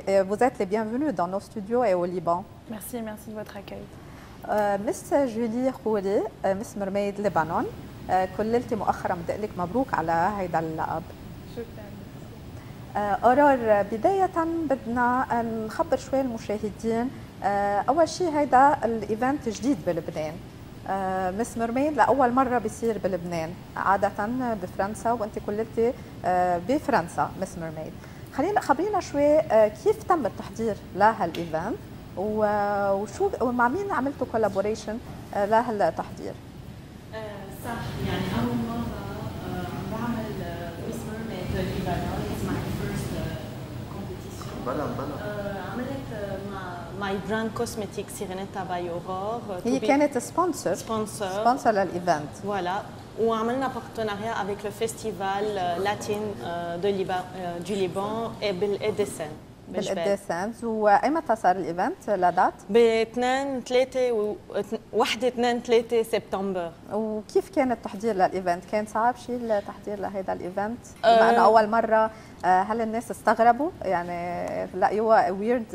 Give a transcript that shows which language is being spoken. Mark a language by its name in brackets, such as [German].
[French] Vous êtes les bienvenus dans nos studios et au Liban. Merci, merci de votre accueil. Miss Julie Khouri, Miss Mermaid Lebanon. [Arabic] كللتي مؤخرا بدي لك مبروك على هيدا اللقب. شكرا. أورور بداية بدنا نخبر شوي المشاهدين. أول شيء هيدا الإيفنت جديد بلبنان. مس ميرميد لأول مرة بيصير بلبنان عادة بفرنسا وأنت كللتي بفرنسا مس ميرميد. خلينا خبرينا شوي كيف تم التحضير لهالايفنت وشو ومع مين عملتوا كولابوريشن لهالتحضير؟ صح يعني اول مره عم بعمل اسمر ميت ليبانون [English] as my first competition عملت مع my brand cosmetic Serenita by Aurore [Arabic] هي كانت سبونسر سبونسر للايفنت [French] فوالا وعملنا بارتناريا avec le festival latin de Liban, du Liban et بالإدسن [Arabic] بالإدسن وأيمتى صار الإيفنت لدات؟ ب 2/3 سبتمبر. وكيف كان التحضير للإيفنت؟ كان صعب شيء التحضير لهذا الإيفنت؟ لأنه أول مرة هل الناس استغربوا؟ يعني لقيوها ويرد